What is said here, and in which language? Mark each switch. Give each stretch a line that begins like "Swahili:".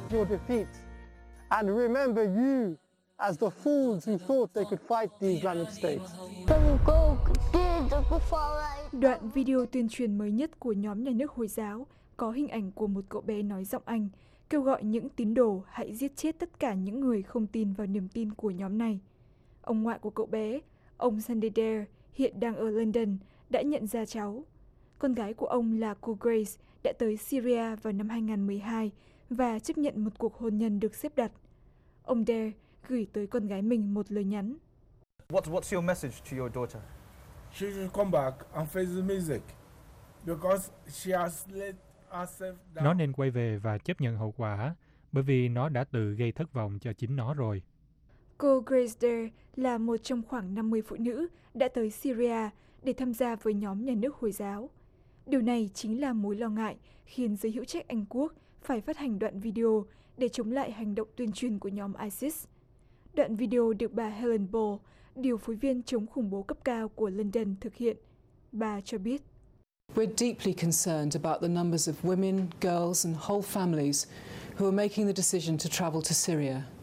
English: Defeat and remember you as the fools who thought they could fight the Islamic State.
Vietnamese: Đoạn video tuyên truyền mới nhất của nhóm nhà nước Hồi giáo có hình ảnh của một cậu bé nói giọng Anh kêu gọi những tín đồ hãy giết chết tất cả những người không tin vào niềm tin của nhóm này. Ông ngoại của cậu bé, ông Sunday Dare, hiện đang ở London, đã nhận ra cháu. Con gái của ông là cô Grace đã tới Syria vào năm 2012 và chấp nhận một cuộc hôn nhân được xếp đặt. Ông Dare gửi tới con gái mình một lời nhắn.
English: What's your message to your daughter? She will come back and face the music because she has let herself down.
Vietnamese: Nó nên quay về và chấp nhận hậu quả bởi vì nó đã tự gây thất vọng cho chính nó rồi. Cô Grace Dare là một trong khoảng 50 phụ nữ đã tới Syria để tham gia với nhóm nhà nước Hồi giáo. Điều này chính là mối lo ngại khiến giới hữu trách Anh Quốc phải phát hành đoạn video để chống lại hành động tuyên truyền của nhóm ISIS. Đoạn video được bà Helen Ball, điều phối viên chống khủng bố cấp cao của London thực hiện. Bà cho biết:
English: We're deeply concerned about the numbers of women, girls and whole families who are making the decision to travel to Syria.